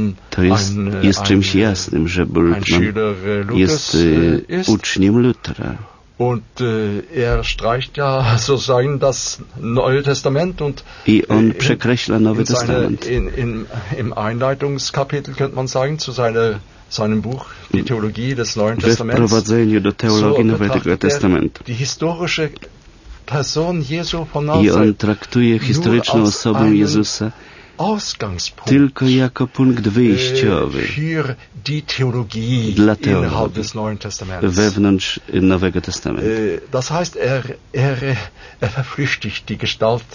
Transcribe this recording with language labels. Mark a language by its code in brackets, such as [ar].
[pl] To jest czymś jasnym, że Bultmann jest uczniem Lutra. [de] Und streicht ja sozusagen das Neue Testament und [pl] i on przekreśla Nowy Testament. [de] Im Einleitungskapitel könnte man sagen zu seinem Buch Die Theologie des Neuen Testaments. [pl] We wprowadzeniu do teologii Nowego Testamentu. [de] Die historische Person Jesu von [pl] Nazaret. I on traktuje historyczną osobę Jezusa tylko jako punkt wyjściowy [de] die Theologie [pl] dla teologii wewnątrz Nowego Testamentu. [de] Das heißt, er verflüchtigt die Gestalt,